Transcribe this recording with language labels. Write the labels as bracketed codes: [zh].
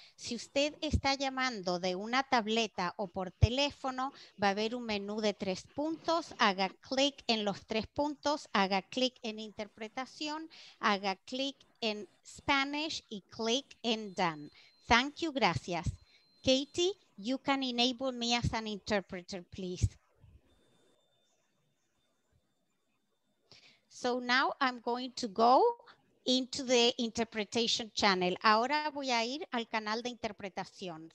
[es] Si usted está llamando de una tableta o por teléfono, va a haber un menú de tres puntos, haga clic en los tres puntos, haga clic en interpretación, haga clic en Spanish y clic en Done. [en] Thank you, [es] gracias. [en] Katie, you can enable me as an interpreter, please. So now I'm going to go into the interpretation channel. [es] Ahora voy a ir al canal de interpretación.